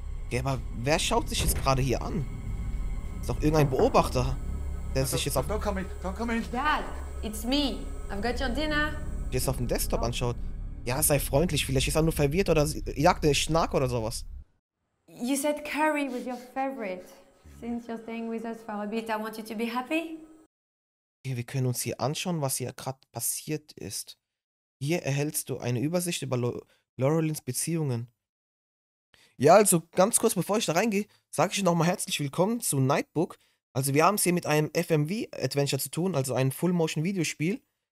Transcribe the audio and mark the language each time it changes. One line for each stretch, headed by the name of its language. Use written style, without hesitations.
German: Ja, aber wer schaut sich jetzt gerade hier an? Ist doch irgendein Beobachter, der sich jetzt auf...
English: Don't come in, don't come in. Dad, it's me. I've got your dinner.
German: Jetzt auf dem Desktop anschaut. Ja, sei freundlich. Vielleicht ist er nur verwirrt oder jagt eine Schnack oder sowas.
English: You said curry was your favorite. Since you're staying with us for a bit, I want you to be happy.
German: Okay, wir können uns hier anschauen, was hier gerade passiert ist. Hier erhältst du eine Übersicht über Laurelins Beziehungen. Ja, also ganz kurz, bevor ich da reingehe, sage ich nochmal herzlich willkommen zu Nightbook. Also wir haben es hier mit einem FMV-Adventure zu tun, also einem Full-Motion-Videospiel.